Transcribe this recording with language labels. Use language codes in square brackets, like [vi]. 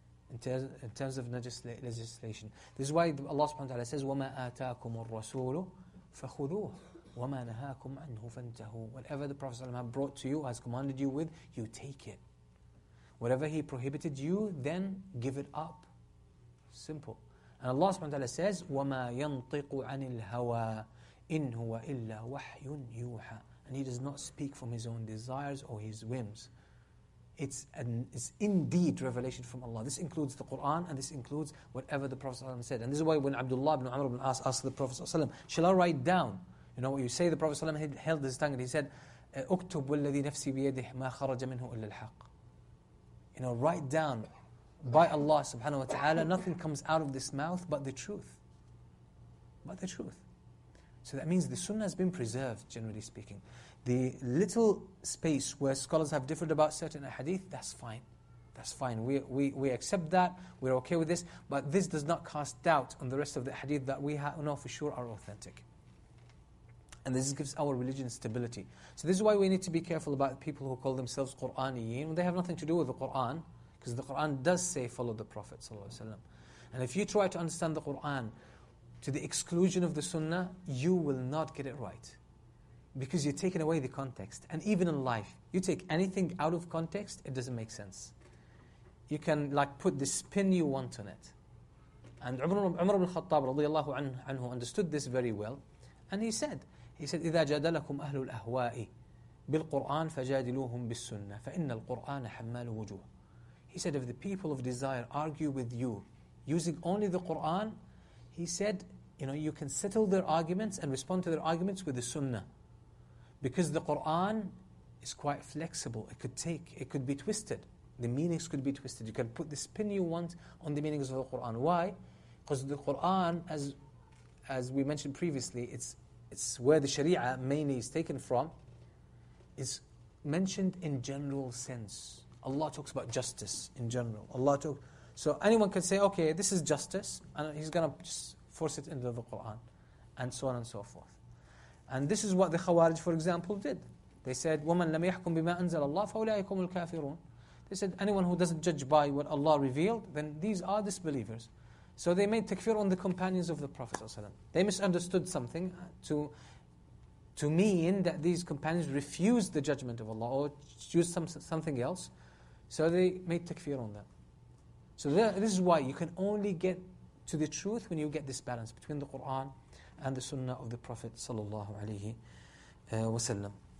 [en] In terms of legislation. This is why Allah subhanahu wa ta'ala says, [ar] وَمَا آتَاكُمُ الرَّسُولُ فَخُذُوهُ وَمَا نَهَاكُمْ عَنْهُ فَانْتَهُوا. [en] Whatever the Prophet ﷺ has brought to you, has commanded you with, you take it. Whatever he prohibited you, then give it up. Simple. And Allah subhanahu wa ta'ala says, [ar] وَمَا يَنْطِقُ عَنِ الْهَوَىٰ إِنْ هُوَ إِلَّا وَحْيٌ يُوحَىٰ. [en] And he does not speak from his own desires or his whims. It's indeed revelation from Allah. This includes the Qur'an and this includes whatever the Prophet ﷺ said. And this is why when Abdullah ibn Amr ibn As asked the Prophet ﷺ, shall I write down? You know what you say? The Prophet ﷺ held his tongue and he said, [ar] أُكْتُبْ وَالَّذِي نَفْسِي بِيَدِهِ مَا خَرَجَ مِنْهُ إِلَّا الْحَقِّ. [en] You know, write down by Allah subhanahu wa ta'ala, nothing comes out of this mouth but the truth. But the truth. So that means the sunnah has been preserved, generally speaking. The little space where scholars have differed about certain hadith, that's fine. That's fine. We accept that. We're okay with this. But this does not cast doubt on the rest of the hadith that we know for sure are authentic. And this gives our religion stability. So this is why we need to be careful about people who call themselves Qur'aniyin. They have nothing to do with the Qur'an. Because the Qur'an does say, follow the Prophet ﷺ. And if you try to understand the Qur'an to the exclusion of the sunnah, you will not get it right. Because you're taking away the context. And even in life, you take anything out of context, it doesn't make sense. You can like put the spin you want on it. And Umar ibn Khattab radiallahu anhu understood this very well. And he said, [ar] إِذَا جَادَلَكُمْ أَهْلُ الْأَهْوَاءِ بِالْقُرْآنِ فَجَادِلُوهُمْ بِالسُنَّةِ فَإِنَّ الْقُرْآنَ حَمَّالُ وُجُوهُ. [en] He said, if the people of desire argue with you using only the Qur'an, he said, you know, you can settle their arguments and respond to their arguments with the sunnah. Because the Qur'an is quite flexible. It could be twisted. The meanings could be twisted. You can put the spin you want on the meanings of the Qur'an. Why? Because the Qur'an, as we mentioned previously, it's where the Sharia mainly is taken from, is mentioned in general sense. Allah talks about justice in general. So anyone can say, okay, this is justice, and he's going to just force it into the Qur'an, and so on and so forth. And this is what the Khawarij, for example, did. They said, [ar] وَمَنْ لَمْ يَحْكُمْ بِمَا أَنزَلَ اللَّهُ فَأُولَٰئِكُمُ الْكَافِرُونَ. [en] They said, anyone who doesn't judge by what Allah revealed, then these are disbelievers. So they made takfir on the companions of the Prophet ﷺ. They misunderstood something to mean that these companions refused the judgment of Allah or used something else. So they made takfir on them. So this is why you can only get to the truth when you get this balance between the Qur'an and the sunnah of the Prophet sallallahu alayhi wa sallam.